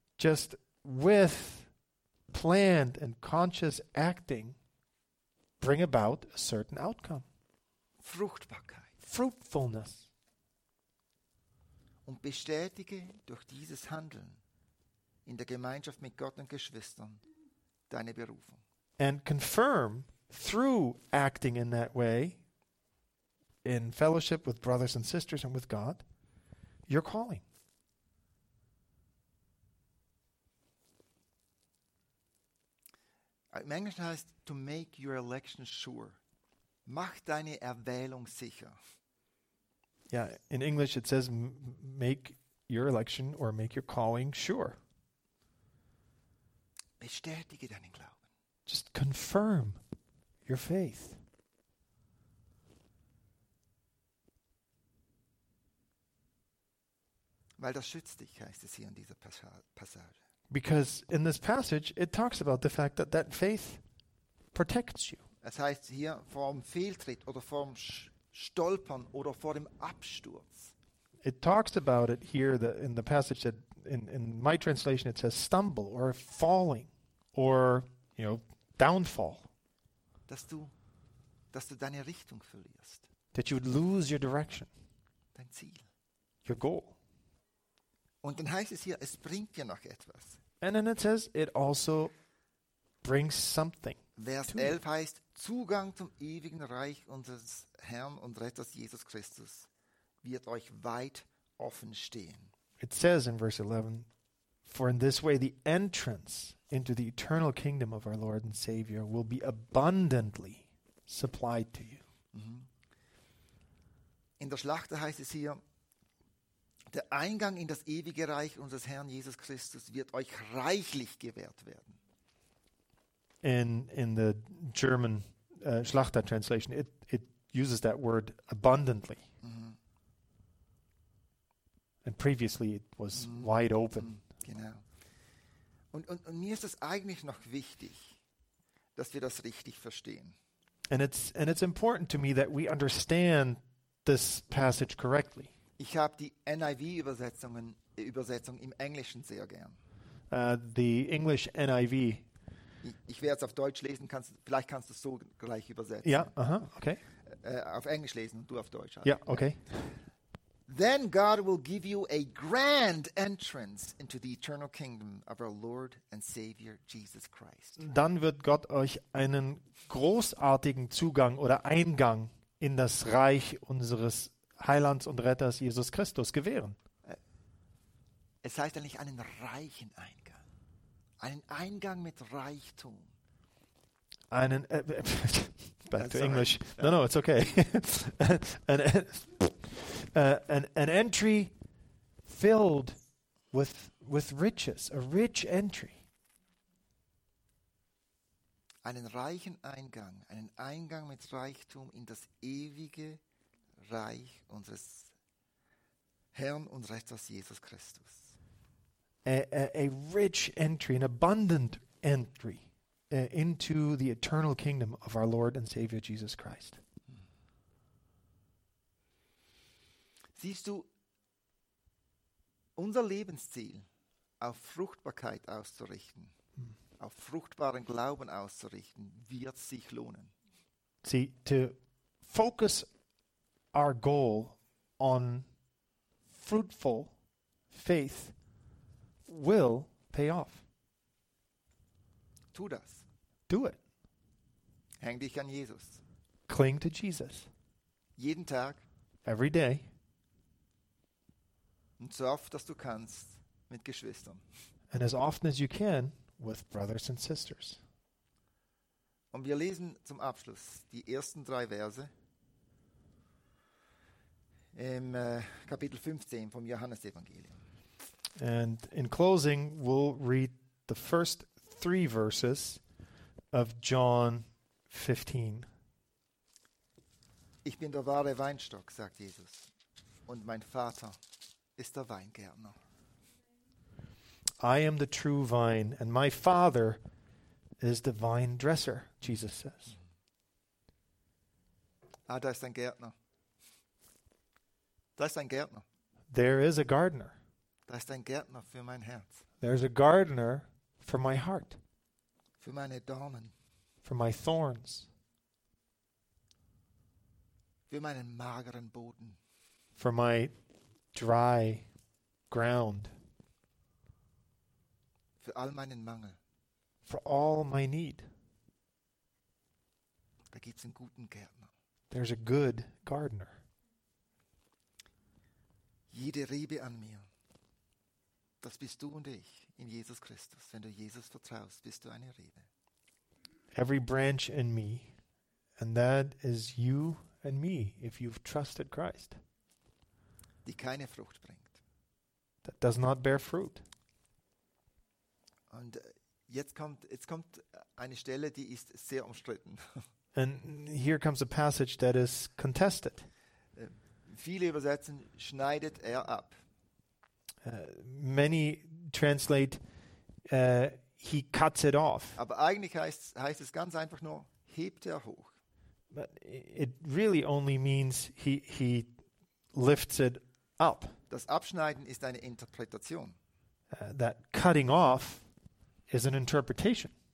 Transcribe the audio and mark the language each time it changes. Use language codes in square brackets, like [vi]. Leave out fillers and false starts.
[en] Just with planned and conscious acting, bring about a certain outcome. [de] Fruchtbarkeit. [en] Fruitfulness. [de] Und bestätige durch dieses Handeln in der Gemeinschaft mit Gott und Geschwistern deine Berufung. [en] And confirm through acting in that way, in fellowship with brothers and sisters and with God, your calling. [de] Im Englischen heißt, [en] to make your election sure. [de] Mach deine Erwählung sicher. [en] Yeah, in English it says, make your election or make your calling sure. [de] Bestätige deinen Glauben. [en] Just confirm your faith. [de] Weil das schützt dich, heißt es hier in dieser Passage. [en] Because in this passage, it talks about the fact that that faith protects you. [de] Es heißt hier, vor dem Fehltritt oder vor dem Stolpern oder vor dem Absturz. [en] It talks about it here that in the passage that in my translation it says stumble or falling or, you know, downfall. [de] Dass du deine Richtung verlierst. [en] That you would lose your direction. [de] Dein Ziel. [en] Your goal. [de] Und dann heißt es hier, es bringt dir noch etwas. [en] And then it says, it also brings something. [de] Vers 11 heißt, Zugang zum ewigen Reich unseres Herrn und Retters Jesus Christus wird euch weit offen stehen. [en] It says in verse 11, for in this way the entrance into the eternal kingdom of our Lord and Savior will be abundantly supplied to you. [de] In der Schlachter heißt es hier, der Eingang in das ewige Reich unseres Herrn Jesus Christus wird euch reichlich gewährt werden. [en] In the German Schlachter translation, it uses that word abundantly. Mm-hmm. And previously it was mm-hmm. wide open. Mm-hmm. [de] Genau. Und mir ist es eigentlich noch wichtig, dass wir das richtig verstehen. [en] And it's important to me that we understand this passage correctly. [de] Ich habe die NIV-Übersetzung im Englischen sehr gern. [en] The English NIV. [de] Ich werde es auf Deutsch lesen, vielleicht kannst du es so gleich übersetzen. Ja, okay. Auf Englisch lesen und du auf Deutsch. Ja, yeah, okay. [en] Then God will give you a grand entrance into the eternal kingdom of our Lord and Savior Jesus Christ. [de] Dann wird Gott euch einen großartigen Zugang oder Eingang in das Reich unseres Heilands und Retters Jesus Christus gewähren. Es heißt eigentlich einen reichen Eingang. Einen Eingang mit Reichtum. Einen, [en] back to English. Yeah. No, it's okay. an entry filled with riches, a rich entry. [de] Einen reichen Eingang, einen Eingang mit Reichtum in das ewige Reich unseres Herrn und Retters Jesus Christus. [en] A rich entry, an abundant entry into the eternal kingdom of our Lord and Savior Jesus Christ. [de] Siehst du, unser Lebensziel auf Fruchtbarkeit auszurichten, auf fruchtbaren Glauben auszurichten, wird sich lohnen. [en] See, to focus our goal on fruitful faith will pay off. [de] Tu das. [en] Do it. [de] Häng dich an Jesus. [en] Cling to Jesus. [de] Jeden Tag. [en] Every day. [de] Und so oft, dass du kannst, mit Geschwistern. [en] And as often as you can, with brothers and sisters. [de] Und wir lesen zum Abschluss die ersten drei Verse im Kapitel 15 vom Johannesevangelium. [en] And in closing, we'll read the first three verses of John 15. [de] Ich bin der wahre Weinstock, sagt Jesus, und mein Vater ist der Weingärtner. [en] I am the true vine, and my Father is the vine dresser, Jesus says. [de] Ah, da ist ein Gärtner. Da ist ein Gärtner. [en] There is a gardener. [de] Da ist ein Gärtner für mein Herz. [en] There's a gardener for my heart. [de] Für meine Dornen. [en] For my thorns. [de] Für meinen mageren Boden. [en] For my dry ground. [de] Für all meinen Mangel. [en] For all my need. [de] Da gibt's einen guten Gärtner. [en] There's a good gardener. [de] Jede Rebe an mir, das bist du und ich in Jesus Christus. Wenn du Jesus vertraust, bist du eine Rebe. [en] Every branch in me, and that is you and me, if you've trusted Christ. [de] Die keine Frucht bringt. [en] That does not bear fruit. [de] Und jetzt kommt eine Stelle, die ist sehr umstritten. [en] And here comes a passage that is contested. [de] Viele übersetzen, schneidet er ab. [en] Many translate, he cuts it off. [de] Aber eigentlich heißt es ganz einfach nur, hebt er hoch. [en] But it really only means he lifts it up. [de] Das Abschneiden ist eine Interpretation. [en] That cutting off is an interpretation.